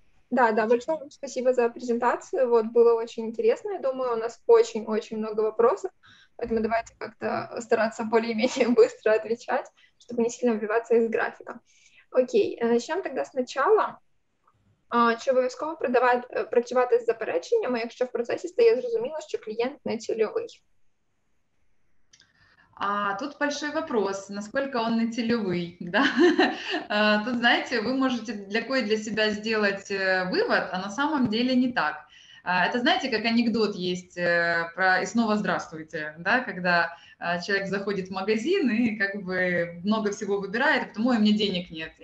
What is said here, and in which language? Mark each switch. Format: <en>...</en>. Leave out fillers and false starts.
<ru>Да, да, большое вам спасибо за презентацию, вот, было очень интересно, я думаю, у нас очень-очень много вопросов, поэтому давайте как-то стараться более-менее быстро отвечать, чтобы не сильно выбиваться из графика. Окей, начнем тогда сначала.</ru> <uk>Чи обов'язково працювати з запереченнями, якщо в процесі стає зрозуміло, що клієнт не цільовий?</uk> <ru>А тут большой вопрос, насколько он нецелевой, да? Тут, знаете, вы можете для себя сделать вывод, а на самом деле не так. Это, знаете, как анекдот есть про «И снова здравствуйте», да, когда человек заходит в магазин и как бы много всего выбирает, а потом, ой, мне денег нет.</ru>